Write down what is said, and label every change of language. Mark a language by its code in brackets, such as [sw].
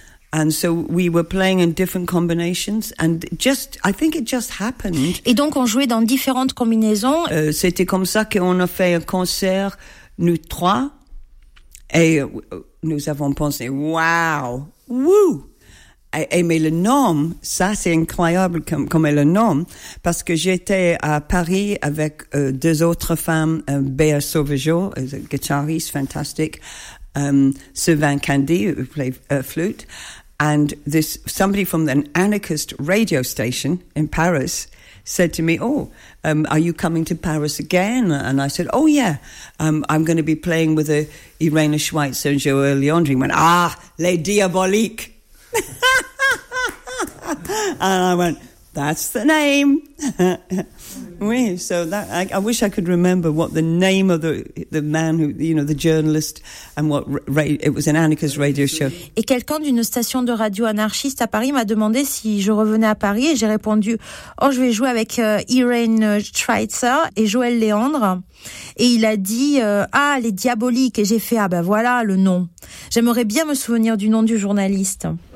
[en] And so we were playing in different combinations. And just, I think it just happened. [fr] Et donc, on jouait dans différentes combinaisons. C'était comme ça qu'on a fait un concert, nous trois. Et nous avons pensé, wow, woo! Et mais le nom, ça c'est incroyable comme est le nom, parce que j'étais à Paris avec deux autres femmes, Bea Sauvageau, guitariste fantastique, Sylvain Candy, [en] who played flute, and this somebody from an anarchist radio station in Paris said to me, oh, are you coming to Paris again? And I said, oh yeah, I'm going to be playing with Irène Schweitzer and Joël Leondry. He went, ah, les Diaboliques. And I went, that's the name. Oui, so that I wish I could remember what the name of the man who, you know, the journalist, and what it was an anarchist radio show. [fr] Et quelqu'un d'une station de radio anarchiste à Paris m'a demandé si je revenais à Paris, et j'ai répondu, oh, je vais jouer avec Irène Schweitzer et Joël Léandre. Et il a dit, ah, les Diaboliques. Et j'ai fait, ah, ben voilà le nom. J'aimerais bien me souvenir du nom du journaliste.